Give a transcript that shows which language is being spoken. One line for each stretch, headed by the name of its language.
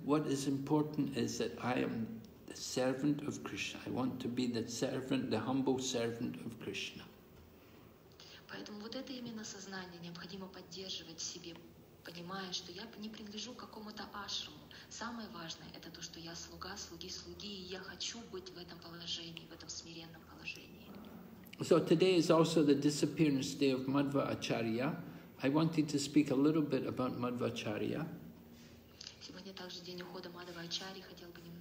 English: What is important is that I am the servant of Krishna. I want to be the servant, the humble servant of Krishna.
Russian: Поэтому вот это именно сознание необходимо поддерживать в себе, понимая, что я не принадлежу какому-то ашраму. Самое важное это то, что я слуга, слуги, и я хочу быть в этом положении, в этом смиренном положении.
English: So today is also the disappearance day of Madhva Acharya. I wanted to speak a little bit about Madhva Acharya.
Russian: Сегодня также день ухода Мадхва Ачарьи, хотел бы